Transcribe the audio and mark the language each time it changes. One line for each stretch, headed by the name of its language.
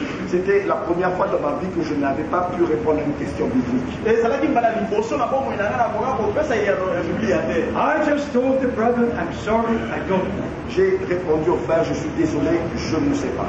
French: C'était la première fois dans ma vie que je n'avais pas pu répondre à une question biblique.
English: I just told the brother, I'm sorry, I don't know.
French: J'ai répondu au frère, je suis désolé, je ne sais pas.